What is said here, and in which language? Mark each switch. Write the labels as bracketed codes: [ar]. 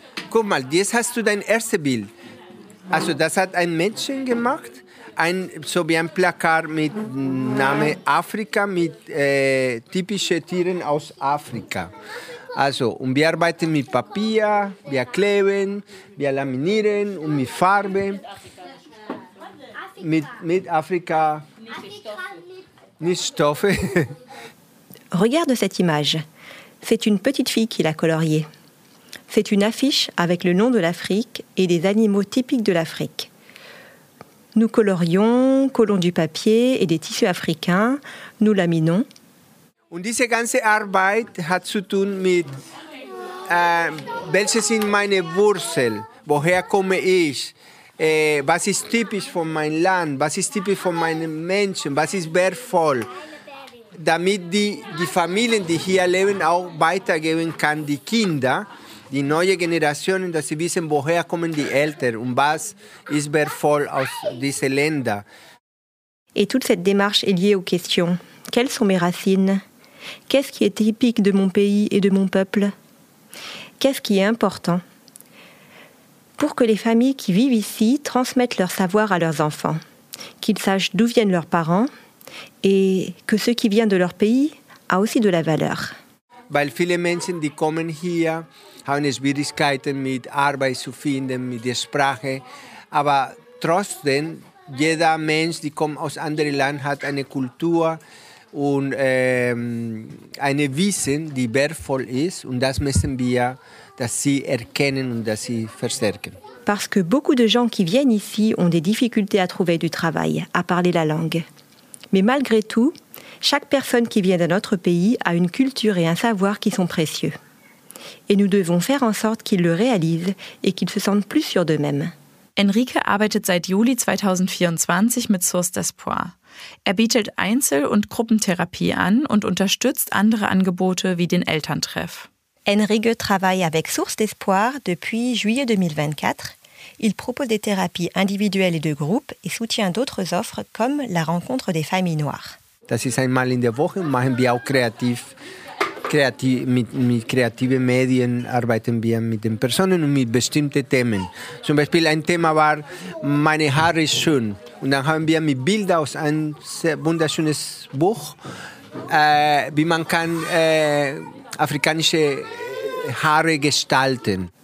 [de] Guck mal, jetzt hast du dein erstes Bild. Also das hat ein Mädchen gemacht, ein, so wie ein Plakat mit Name Afrika, mit typischen Tieren aus Afrika. Also, und wir arbeiten mit Papier, wir kleben, wir laminieren und mit Farbe. Mit Afrika. Nicht Stoffe. [fr] Regarde cette image. C'est une petite fille qui l'a coloriée. C'est une affiche avec le nom de l'Afrique et des animaux typiques de l'Afrique. Nous collons du papier et des tissus africains, nous laminons. [de] Und diese ganze Arbeit hat zu tun mit welche sind meine Wurzeln? Woher komme ich? Was ist typisch von meinem Land? Was ist typisch von meinen Menschen? Was ist wertvoll? Damit die Familien, die hier leben, auch weitergeben kann, die Kinder. Die neue Generation, dass sie wissen, woher kommen die Eltern und was ist wertvoll aus diesen Ländern. [fr] Et toute cette démarche est liée aux questions. Quelles sont mes racines? Qu'est-ce qui est typique de mon pays et de mon peuple? Qu'est-ce qui est important? Pour que les familles qui vivent ici transmettent leur savoir à leurs enfants, qu'ils sachent d'où viennent leurs parents et que ce qui vient de leur pays a aussi de la valeur. [de] Weil viele Menschen, die kommen hier, haben Schwierigkeiten mit Arbeit zu finden, mit der Sprache. Aber trotzdem, jeder Mensch, der kommt aus einem anderen Land, hat eine Kultur und ein Wissen, die wertvoll ist. Und das müssen wir, dass sie erkennen und dass sie verstärken. [fr] Parce que beaucoup de gens qui viennent ici ont des difficultés à trouver du travail, à parler la langue. Mais malgré tout, chaque personne qui vient de notre pays a une culture et un savoir qui sont précieux. Et nous devons faire en sorte qu'ils le réalisent et qu'ils se sentent plus sûrs d'eux-mêmes. [de] Enrique arbeitet seit Juli 2024 mit Source d'Espoir. Er bietet Einzel- und Gruppentherapie an und unterstützt andere Angebote wie den Elterntreff. [fr] Enrique travaille avec Source d'Espoir depuis juillet 2024. Il propose des thérapies individuelles et de groupe et soutient d'autres offres comme la rencontre des familles noires. [de] Das ist einmal in der Woche, machen wir auch kreativ. Mit kreativen Medien arbeiten wir mit den Personen und mit bestimmten Themen. Zum Beispiel ein Thema war, meine Haare ist schön. Und dann haben wir mit Bildern aus einem wunderschönen Buch, wie man kann afrikanische Haare gestalten.